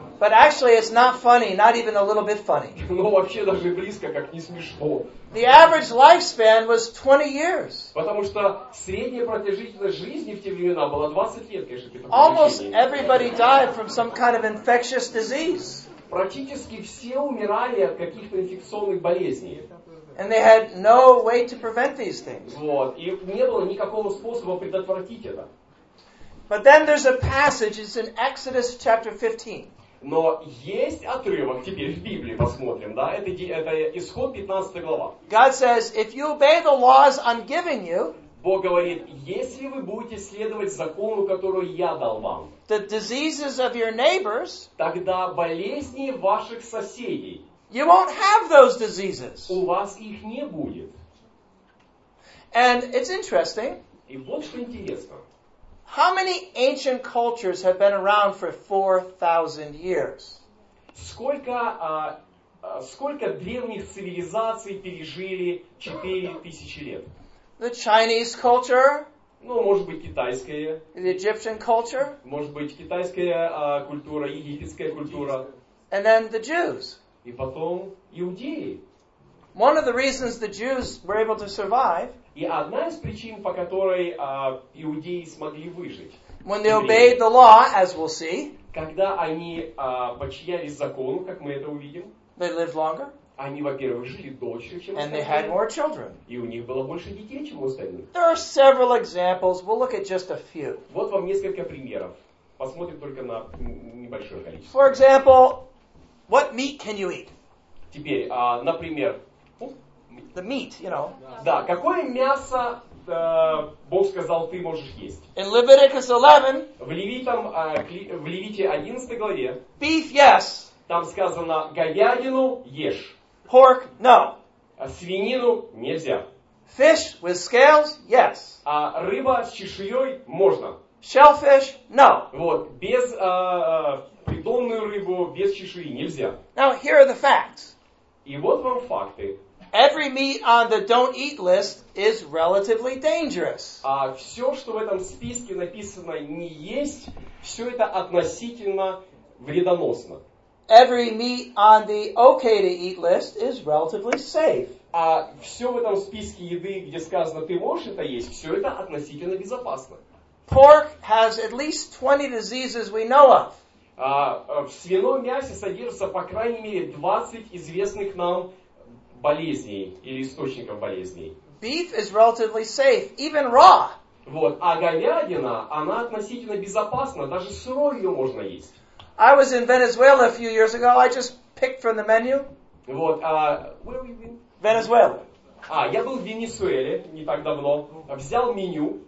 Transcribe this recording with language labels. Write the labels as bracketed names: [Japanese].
[English] But actually it's not funny, not even a little bit funny. [Russian] Ну вообще даже близко как не смешно. [English] The average lifespan was 20 years. [Russian] Потому что средняя продолжительность жизни в те времена была 20 лет, конечно, при таком [English] Almost [Russian] лечении. [English] Everybody died from some kind of infectious disease. [Russian] Практически все умирали от каких-то инфекционных болезней. [English] And they had no way to prevent these things. [Russian] Вот, и не было никакого способа предотвратить это. [English] But then there's a passage, it's in Exodus chapter 15. [Russian] Но есть отрывок, теперь в Библии посмотрим, да, это Исход 15 глава. [English] God says, if you obey the laws I'm giving you, [Russian] Бог говорит, если вы будете следовать закону, который я дал вам, [English] the diseases of your neighbors, [Russian] тогда болезни ваших соседей, [English] you won't have those diseases. [Russian] У вас их не будет. [English] And it's interesting. [Russian] И вот что интересно. [English] How many ancient cultures have been around for 4,000 years? [Russian] Сколько древних цивилизаций пережили 4000 лет? [English] The Chinese culture? [Russian] Ну, может быть, китайская. [English] The Egyptian culture? [Russian] Может быть, китайская культура, египетская культура. [English] And then the Jews. [Russian] И потом иудеи. [English] One of the reasons the Jews were able to survive. [Russian] И одна из причин, по которой иудеи смогли выжить. [English] When they obeyed the law, as we'll see. [Russian] Когда они подчинялись закону, как мы это увидим. [English] They lived longer. [Russian] Они, во-первых, жили дольше, чем остальные. [English] And they had more children. [Russian] И у них было больше детей, чем у остальных. [English] There are several examples. We'll look at just a few. [Russian] Вот вам несколько примеров. Посмотрим только на небольшое количество. [English] For example, what meat can you eat? [Russian] Теперь, например... [English] The meat, you know. [Russian] Да, какое мясо Бог сказал, ты можешь есть? [English] In Leviticus 11. [Russian] В Левите 11 главе. [English] Beef, yes. [Russian] Там сказано, говядину ешь. [English] Pork, no. [Russian] Свинину нельзя. [English] Fish with scales, yes. [Russian] А рыба с чешуей можно. [English] Shellfish, no. [Russian] Вот, без придонную рыбу, без чешуи нельзя. [English] Now, here are the facts. [Russian] И вот вам факты. [English] Every meat on the don't eat list is relatively dangerous. [Russian] Все, что в этом списке написано не есть, все это относительно вредоносно. [English] Every meat on the okay to eat list is relatively safe. [Russian] Все в этом списке еды, где сказано ты можешь это есть, все это относительно безопасно. [English] Pork has at least 20 diseases we know of. [Russian] В свином мясе содержится по крайней мере 20 известных нам болезней или источников болезней. [English] Beef is relatively safe, even raw. [Russian] Вот, а говядина, она относительно безопасна, даже сырой ее можно есть. [English] I was in Venezuela a few years ago. I just picked from the menu. Вот, where have you been? Venezuela. [Russian] А, я был в Венесуэле не так давно, взял меню.